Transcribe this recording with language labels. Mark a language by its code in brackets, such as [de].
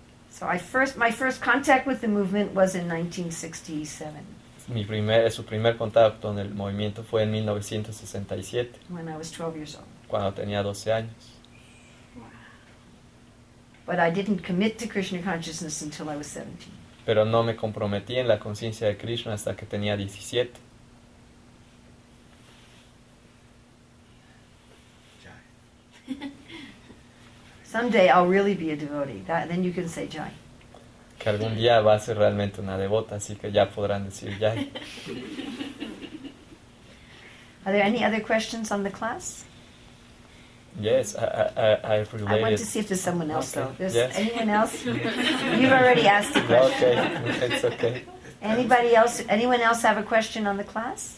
[en] So my first contact with the movement was in 1967. [es] Su primer contacto en el movimiento fue en 1967. [en] When I was 12 years old. [es] Cuando tenía 12 años. [en] But I didn't commit to Krishna consciousness until I was 17. [es] Pero no me comprometí en la conciencia de Krishna hasta que tenía 17. [en] Someday I'll really be a devotee. Then you can say Jai. [es] Que algún día va a ser realmente una devota, así que ya podrán decir Jai. [en] Are there any other questions on the class? Yes, I related. I want to see if there's someone else, okay. Though. Yes. Anyone else? You've already asked a question. Okay, it's okay. Anybody else? Anyone else have a question on the class?